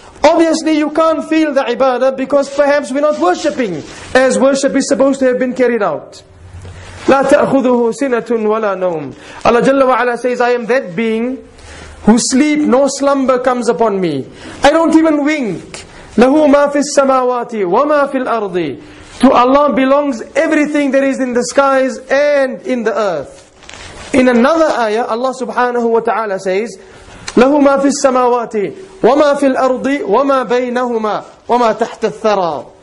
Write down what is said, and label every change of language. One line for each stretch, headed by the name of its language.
English: Obviously you can't feel the ibadah because perhaps we're not worshipping as worship is supposed to have been carried out.
Arabic: لا تأخذه سنة ولا نوم.
English: Allah Jalla wa Ala says, I am that being whose sleep no slumber comes upon me. I don't even wink.
Arabic: له ما في السماوات وما في الأرض.
English: To Allah belongs everything that is in the skies and in the earth. In another ayah, Allah subhanahu wa ta'ala says,
Arabic: له ما في السماوات وما في الأرض وما بينهما وما تحت الثرى.